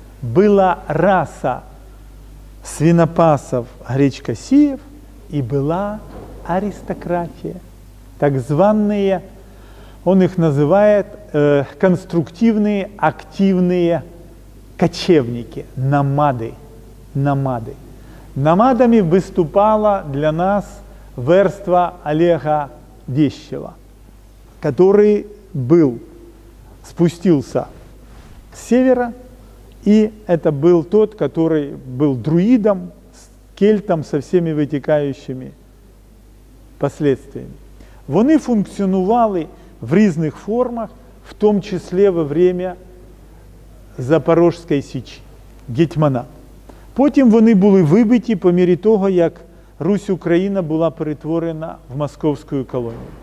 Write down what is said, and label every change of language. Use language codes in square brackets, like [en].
[uk] Була раса свинопасів гречкосіїв і була аристократія. Так звані, він їх називає конструктивні, активні кочевники, намади. Намади. Намадами виступала для нас верства [ru] Олега Вещева, который был, спустился с севера, и это был тот, который был друидом, кельтом со всеми вытекающими последствиями. [uk] Вони функціонували в різних формах, [ru] в том числе во время Запорожской Січі, [uk] гетьмана. Потім вони були вибиті по мірі того, як Русь-Україна була перетворена в московську колонію.